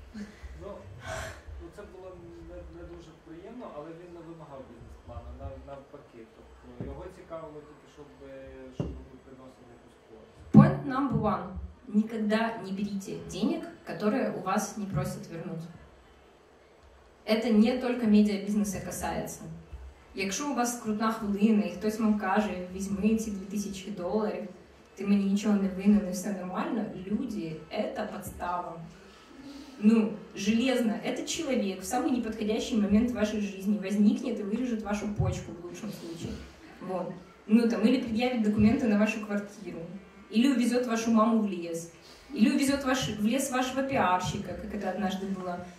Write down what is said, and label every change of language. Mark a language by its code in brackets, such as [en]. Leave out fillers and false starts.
[ru] Ну, это было не очень приятно, но он не вымагал бизнес-плана, наоборот. То есть его интересовало только, чтобы вы приносили какую-то пользу. [en] Point number one. [ru] Никогда не берите денег, которые у вас не просят вернуть. Это не только медиабизнеса касается. [uk] Якщо у вас крутна хвилина, и хтось вам каже, візьми ці 2000 доларів, ти мені нічого не винен, все нормально, [ru] люди, это подстава. Ну, железно, этот человек в самый неподходящий момент вашей жизни возникнет и вырежет вашу почку в лучшем случае. Вот. Ну, там, или предъявит документы на вашу квартиру, или увезет вашу маму в лес, или увезет в лес вашего пиарщика, как это однажды было.